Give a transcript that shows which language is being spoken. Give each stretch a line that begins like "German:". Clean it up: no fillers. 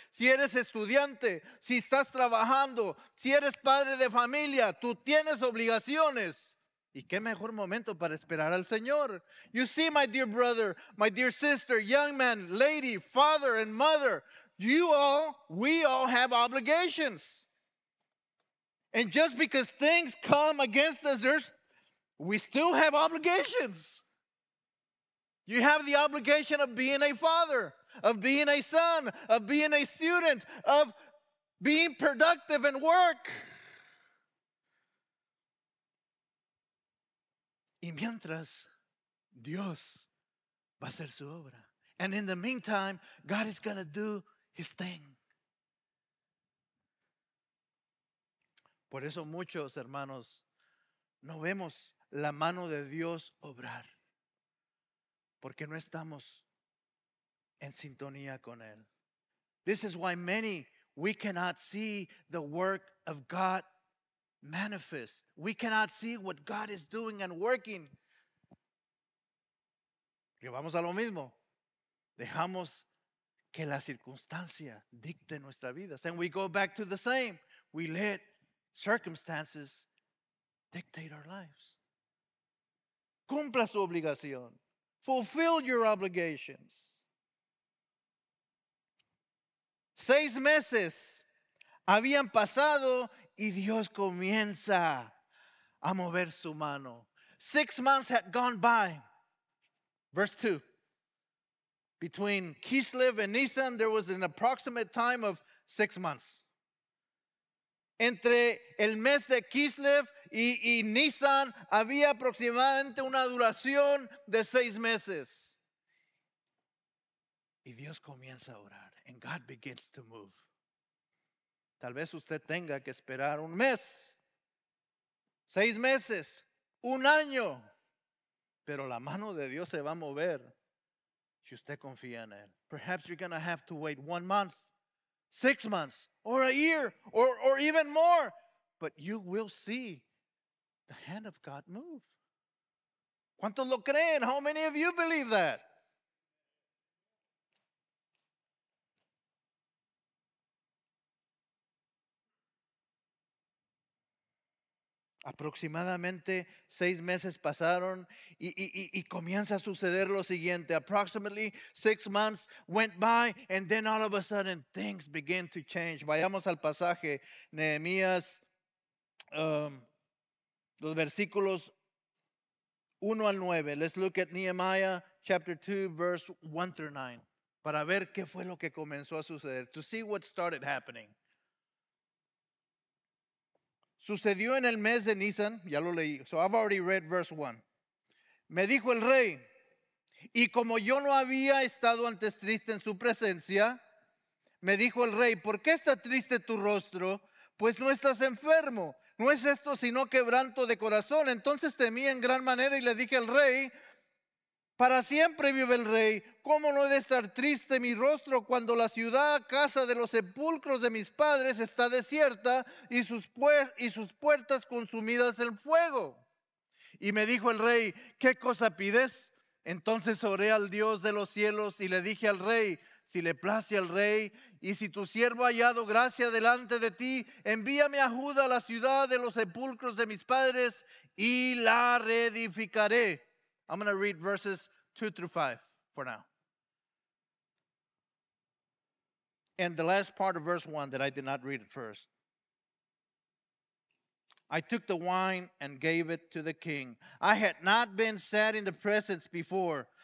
Spanish: Si eres estudiante, si estás trabajando, si eres padre de familia, tú tienes obligaciones. ¿Y qué mejor momento para esperar al Señor?
English: You see, my dear brother, my dear sister, young man, lady, father and mother, we all have obligations. And just because things come against us, we still have obligations. You have the obligation of being a father, of being a son, of being a student, of being productive in work.
Spanish: Y mientras, Dios va a hacer su obra.
English: And in the meantime, God is going to do his thing.
Spanish: Por eso muchos hermanos no vemos la mano de Dios obrar. Porque no estamos en sintonía con Él.
English: This is why many, we cannot see the work of God manifest. We cannot see what God is doing and working.
Spanish: Y vamos a lo mismo. Dejamos que la circunstancia dicte nuestra vida.
English: Then we go back to the same. We let circumstances dictate our lives.
Spanish: Cumpla su obligación.
English: Fulfill your obligations.
Spanish: 6 meses habían pasado y Dios comienza a mover su mano.
English: 6 months had gone by. Verse 2. Between Kislev and Nisan, there was an approximate time of 6 months.
Spanish: Entre el mes de Kislev y Nissan había aproximadamente una duración de 6 meses. Y Dios comienza a orar.
English: And God begins to move.
Spanish: Tal vez usted tenga que esperar un mes, 6 meses, un año. Pero la mano de Dios se va a mover si usted confía en él.
English: Perhaps you're going to have to wait 1 month, 6 months, or a year, or even more. But you will see the hand of God move.
Spanish: ¿Cuántos lo creen?
English: How many of you believe that?
Spanish: Aproximadamente 6 meses pasaron y comienza a suceder lo siguiente.
English: Approximately 6 months went by and then all of a sudden things began to change.
Spanish: Vayamos al pasaje, Nehemías, los versículos 1 al 9.
English: Let's look at Nehemiah chapter 2 verse 1 through 9.
Spanish: Para ver qué fue lo que comenzó a suceder.
English: To see what started happening.
Spanish: Sucedió en el mes de Nisan, ya lo leí.
English: So I've already read verse 1.
Spanish: Me dijo el rey, y como yo no había estado antes triste en su presencia, me dijo el rey, ¿por qué está triste tu rostro? Pues no estás enfermo. No es esto sino quebranto de corazón. Entonces temí en gran manera y le dije al rey, para siempre vive el rey. ¿Cómo no he de estar triste mi rostro cuando la ciudad, casa de los sepulcros de mis padres, está desierta y sus puertas consumidas en fuego? Y me dijo el rey, ¿qué cosa pides? Entonces oré al Dios de los cielos y le dije al rey, si le place al rey y si tu siervo ha hallado gracia delante de ti, envíame a Judá, la ciudad de los sepulcros de mis padres, y la reedificaré.
English: I'm going to read verses 2 through 5 for now. And the last part of verse 1 that I did not read at first. I took the wine and gave it to the king. I had not been sad in the presence before.